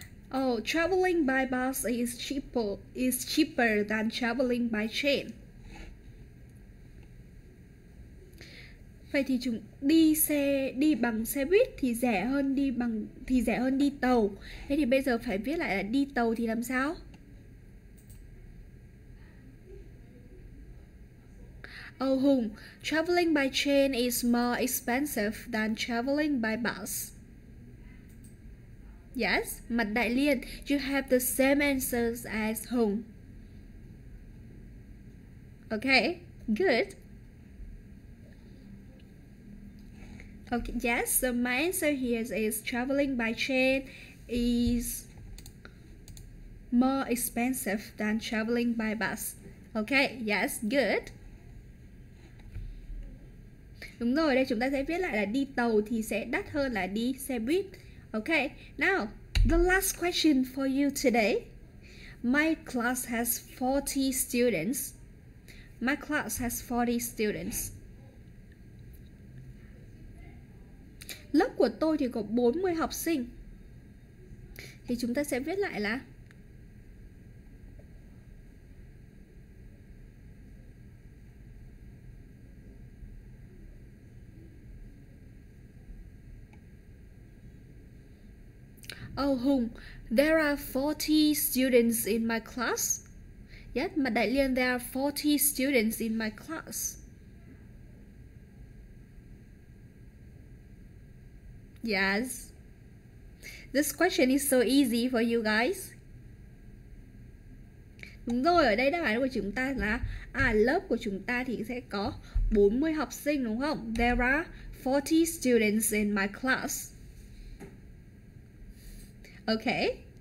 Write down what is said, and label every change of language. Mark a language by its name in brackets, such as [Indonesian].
[English] Oh, traveling by bus is cheaper than traveling by train. [Vietnamese] Vậy thì chúng đi bằng xe buýt thì rẻ hơn đi tàu. Thế thì bây giờ phải viết lại là đi tàu thì làm sao? [English] Hùng, traveling by train is more expensive than traveling by bus. Yes, Mạch Đại Liên, you have the same answers as Hùng. Okay, good. Okay, yes, so my answer here is traveling by train is more expensive than traveling by bus. Okay, yes, good. [Vietnamese] Đúng rồi, đây chúng ta sẽ viết lại là đi tàu thì sẽ đắt hơn là đi xe buýt. [English] Okay, now, the last question for you today. My class has 40 students. My class has 40 students. [Vietnamese] Lớp của tôi thì có 40 học sinh. Thì chúng ta sẽ viết lại là Hùng, [English] there are 40 students in my class. Yes, mà Đại Liên, there are 40 students in my class. Yes. This question is so easy for you guys. [Vietnamese] Đúng rồi, ở đây đáp án của chúng ta là lớp của chúng ta thì sẽ có 40 học sinh đúng không? [English] There are 40 students in my class. Okay.